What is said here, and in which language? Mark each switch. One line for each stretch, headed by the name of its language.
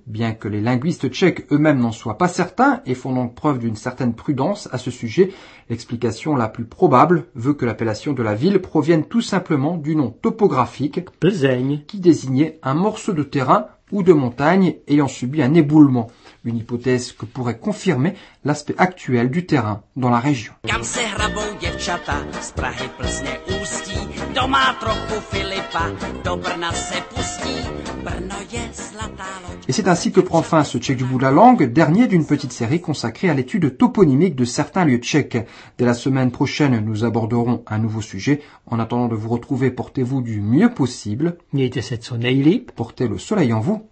French: Bien que les linguistes tchèques eux-mêmes n'en soient pas certains et font donc preuve d'une certaine prudence à ce sujet, l'explication la plus probable veut que l'appellation de la ville provienne tout simplement du nom topographique Plzeň, qui désignait un morceau de terrain ou de montagne ayant subi un éboulement. Une hypothèse que pourrait confirmer l'aspect actuel du terrain dans la région.
Czech: Kam se hrabou děvčata, z Prahy Plzně Ústí, kdo má trochu Filipa, do Brna se pustí. Brno je zlatá loď.
French: Et c'est ainsi que prend fin ce tchèque du bout de la langue, dernier d'une petite série consacrée à l'étude toponymique de certains lieux tchèques. Dès la semaine prochaine, nous aborderons un nouveau sujet. En attendant de vous retrouver, portez-vous du mieux possible.
Czech: Mějte se co nejlíp.
French: Portez le soleil en vous.